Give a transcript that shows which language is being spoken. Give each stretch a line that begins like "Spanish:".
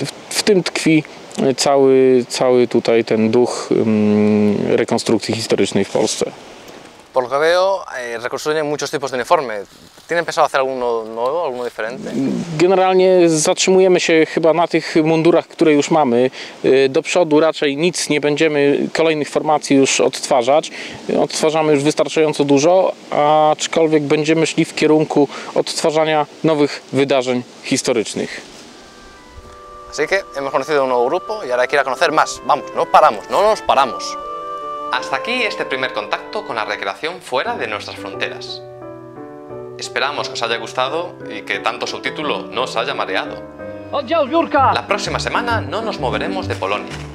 Polish: W tym tkwi cały tutaj ten duch rekonstrukcji historycznej w Polsce.
Spanish: Por lo que veo, reconstruyen muchos tipos de uniforme. ¿Tienen pensado hacer alguno nuevo, alguno diferente?
Polish: Generalnie zatrzymujemy się chyba na tych mundurach, które już mamy. Do przodu raczej nic nie będziemy kolejnych formacji już odtwarzać. Odtwarzamy już wystarczająco dużo, aczkolwiek będziemy szli w kierunku odtwarzania nowych wydarzeń historycznych.
Spanish: Así que hemos conocido un nuevo grupo y ahora quiero conocer más. Vamos, no paramos, no nos paramos. Hasta aquí este primer contacto con la recreación fuera de nuestras fronteras. Esperamos que os haya gustado y que tanto subtítulo no os haya mareado. La próxima semana no nos moveremos de Polonia.